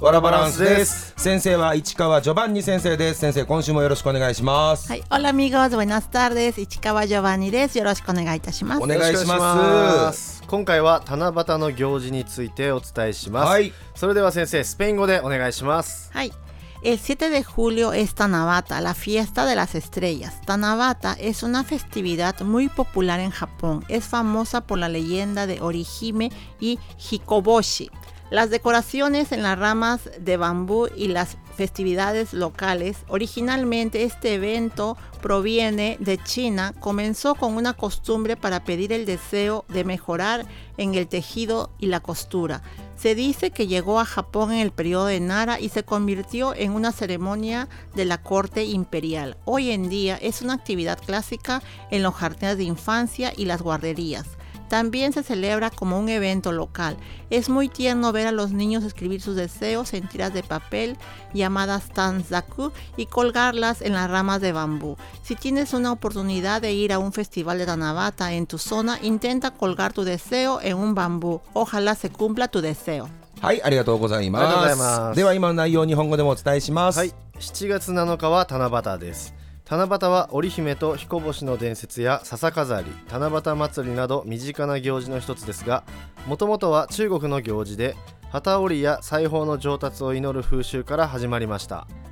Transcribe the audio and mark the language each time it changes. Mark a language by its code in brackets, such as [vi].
[ja] ワラバランスです。先生は市川ジョバンニ先生です。先生、今週もよろしくお願いします。はい、オラミゴーズバナスタールです。市川ジョバンニです。よろしくお願いいたします。お願いします。今回は七夕の行事についてお伝えします。はい、それでは先生、スペイン語でお願いします。 [es] はい、El 7 de julio es Tanabata, la fiesta de las estrellas. Tanabata es una festividad muy popular en Japón. Es famosa por la leyenda de Orihime y Hikoboshi. Las decoraciones en las ramas de bambú y las festividades locales. Originalmente este evento proviene de China. Comenzó con una costumbre para pedir el deseo de mejorar en el tejido y la costura. Se dice que llegó a Japón en el periodo de Nara y se convirtió en una ceremonia de la corte imperial. Hoy en día es una actividad clásica en los jardines de infancia y las guarderías. También se celebra como un evento local. Es muy tierno ver a los niños escribir sus deseos en tiras de papel llamadas tanzaku y colgarlas en las ramas de bambú. Si tienes una oportunidad de ir a un festival de Tanabata en tu zona, intenta colgar tu deseo en un bambú. Ojalá se cumpla tu deseo. [ja] はい、ありがとうございます。ありがとうございます。では今の内容を日本語でもお伝えします。はい、7月7日は七夕です。七夕は織姫と彦星の伝説や笹飾り、七夕祭りなど身近な行事の一つですが、もともとは中国の行事で、旗織りや裁縫の上達を祈る風習から始まりました。